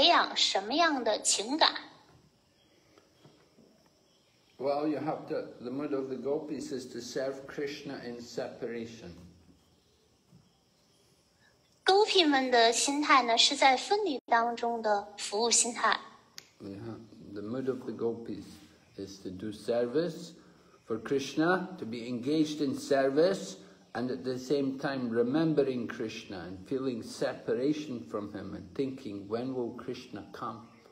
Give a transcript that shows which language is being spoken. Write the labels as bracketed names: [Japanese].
[Chinese] 为了理解Gopi的心绪，我们首先需要培养什么样的情感？ [English] Well, you have to, the mood of the Gopis is to serve Krishna in separation. [Chinese] Gopi们的心态呢，是在分离当中的服务心态。 [English] Yeah, the mood of the Gopis is to do service for Krishna, to be engaged in service, and at the same time remembering Krishna and feeling separation from him and thinking, when will Krishna come?